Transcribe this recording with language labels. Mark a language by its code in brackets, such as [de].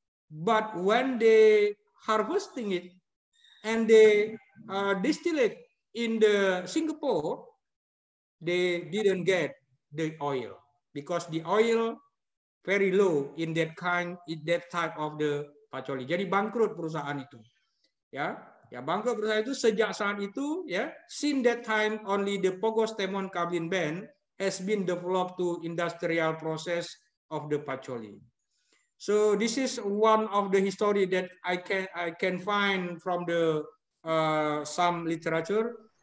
[en] But when they harvesting it and they distill it in the Singapore, they didn't get the oil because the oil very low in that kind, in that type of the patchouli. [id] Jadi bangkrut perusahaan itu, ya. Ya, bangkrut perusahaan itu sejak saat itu, ya. [en] Since that time, only the Pogostemon kablin band has been developed to industrial process of the patchouli. So this is one of the history that I can find from the some literature.